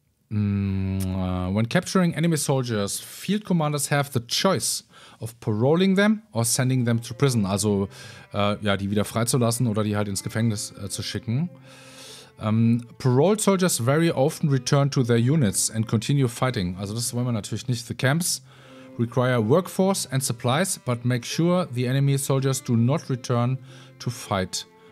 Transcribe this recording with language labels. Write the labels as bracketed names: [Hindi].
[English] When capturing enemy soldiers, field commanders have the choice of paroling them or sending them to prison. [German] Also ja, die wieder freizulassen oder die halt ins Gefängnis zu schicken. [English] Paroled soldiers very often return to their units and continue fighting. [German] Also das wollen wir natürlich nicht. [English] The camps require workforce and supplies, but make sure the enemy soldiers do not return to fight.